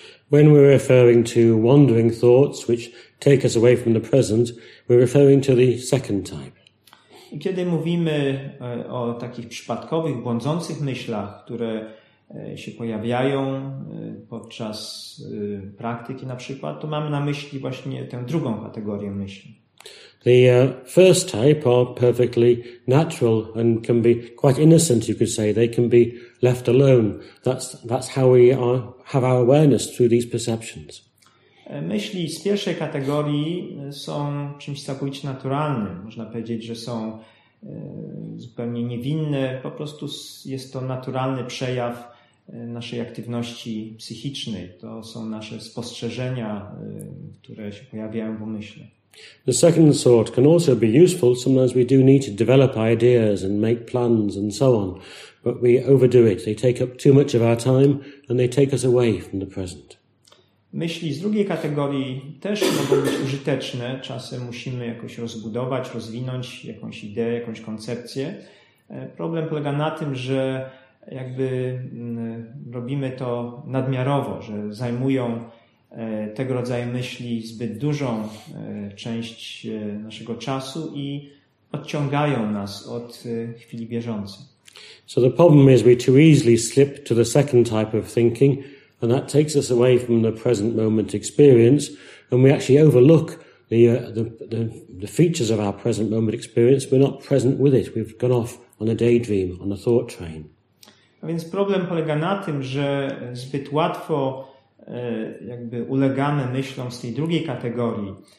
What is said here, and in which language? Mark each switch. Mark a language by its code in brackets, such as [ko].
[en] When we're referring to wandering thoughts which take us away from the present, we're referring to the second type. [pl] I kiedy mówimy o takich przypadkowych, błądzących myślach, które się pojawiają podczas praktyki na przykład, to mam na myśli właśnie tę drugą kategorię myśli. [en] The first type are perfectly natural and can be quite innocent, you could say. They can be left alone. That's how we have our awareness through these perceptions. [pl] Myśli z pierwszej kategorii są czymś całkowicie naturalnym. Można powiedzieć, że są zupełnie niewinne. Po prostu jest to naturalny przejaw naszej aktywności psychicznej. To są nasze spostrzeżenia, które się pojawiają w umyśle. [en] The second sort can also be useful. Sometimes we do need to develop ideas and make plans and so on, but we overdo it. They take up too much of our time and they take us away from the present. [pl] Myśli z drugiej kategorii też mogą być użyteczne. Czasem musimy jakoś rozbudować, rozwinąć jakąś ideę, jakąś koncepcję. Problem polega na tym, że jakby robimy to nadmiarowo, że zajmują tego rodzaju myśli zbyt dużą część naszego czasu i odciągają nas od chwili bieżącej. [en] So the problem is we too easily slip to the second type of thinking, and that takes us away from the present moment experience, and we actually overlook the features of our present moment experience. We're not present with it. We've gone off on a daydream, on a thought train. [pl] A więc problem polega na tym, że zbyt łatwo jakby ulegamy myślom z tej drugiej kategorii.